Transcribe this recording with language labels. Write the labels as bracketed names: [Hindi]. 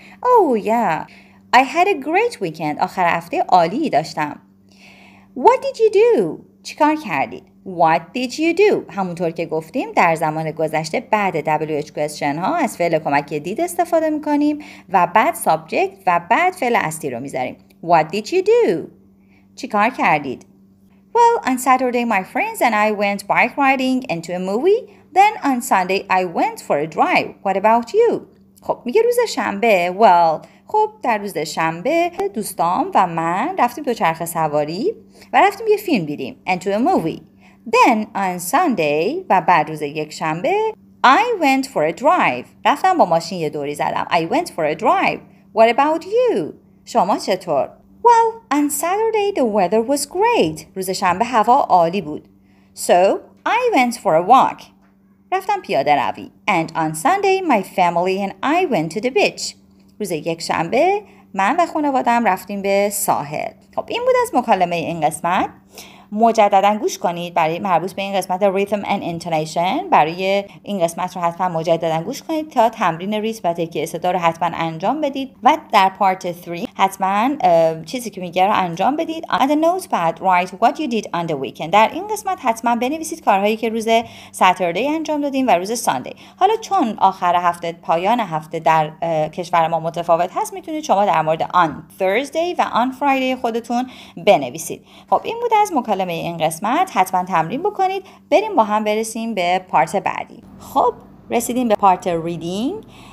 [English] Oh yeah, I had a great weekend. [Persian] آخر هفته عالی داشتم. [English] What did you do؟ [Persian] چیکار کردید؟ [English] What did you do؟ [Persian] همونطور که گفتیم در زمان گذشته بعد [English] WH question [Persian] ها از فعل کمک دید استفاده میکنیم و بعد subject و بعد فعل اصلی رو میذاریم. [English] What did you do؟ [Persian] چیکار کردید؟ [English] Well, on Saturday, my friends and I went bike riding and to a movie. Then on Sunday, I went for a drive. What about you? [Persian] خب میگه روز شنبه. Well, خب در روز شنبه دوستام و من رفتیم دوچرخه سواری و رفتیم یه فیلم دیدیم. [English] And to a movie. Then on Sunday [Persian] و بعد روز یک شنبه, [English] I went for a drive. [Persian] رفتم با ماشین یه دوری زدم. [English] I went for a drive. What about you? [Persian] شما چطور؟ [English] Well, on Saturday the weather was great. [Persian] روز شنبه هوا عالی بود. [English] So, I went for a walk. [Persian] رفتم پیاده روی. [English] And on Sunday my family and I went to the beach. [Persian] روز یک شنبه من و خانواده‌ام رفتیم به ساحل. خب این بود از مکالمه این قسمت. مجدداً گوش کنید برای مربوط به این قسمت ریتم اند اینتونیشن. برای این قسمت رو حتما مجدداً گوش کنید تا تمرین ریتم و تکیه صدا رو حتما انجام بدید و در پارت 3 حتما چیزی که میگه رو انجام بدید. [English] On the notepad, write what you did on the weekend. [Persian] در این قسمت حتما بنویسید کارهایی که روز ساتردی انجام دادیم و روز ساندی. حالا چون آخر هفته پایان هفته در کشور ما متفاوت هست، میتونید شما در مورد [English] on Thursday [Persian] و [English] on Friday [Persian] خودتون بنویسید. خب این بود از کلمه این قسمت. حتما تمرین بکنید. بریم با هم برسیم به پارت بعدی. خب رسیدیم به پارت ریدینگ.